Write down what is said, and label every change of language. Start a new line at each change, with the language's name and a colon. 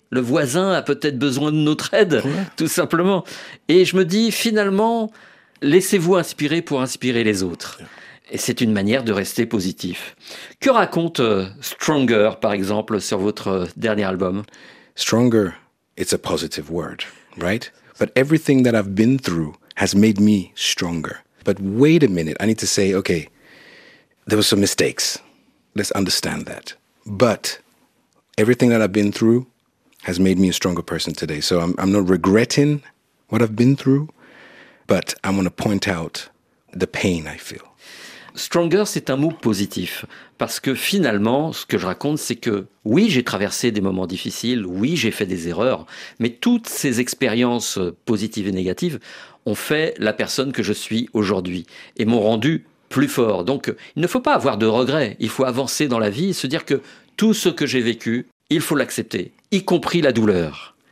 French: Le voisin a peut-être besoin de notre aide, tout simplement. Et je me dis, finalement, laissez-vous inspirer pour inspirer les autres. Et c'est une manière de rester positif. Que raconte Stronger, par exemple, sur votre dernier album ?
English: Stronger, it's a positive word, right ? But everything that I've been through has made me stronger. But wait a minute, I need to say, okay, there were some mistakes. Let's understand that. But everything that I've been through has made me a stronger person today. So I'm not regretting what I've been through, but I want to point out the pain I feel.
French: Stronger, c'est un mot positif. Parce que finalement, ce que je raconte, c'est que oui, j'ai traversé des moments difficiles, oui, j'ai fait des erreurs, mais toutes ces expériences positives et négatives ont fait la personne que je suis aujourd'hui et m'ont rendu plus fort. Donc, il ne faut pas avoir de regrets. Il faut avancer dans la vie et se dire que tout ce que j'ai vécu, il faut l'accepter, y compris la douleur.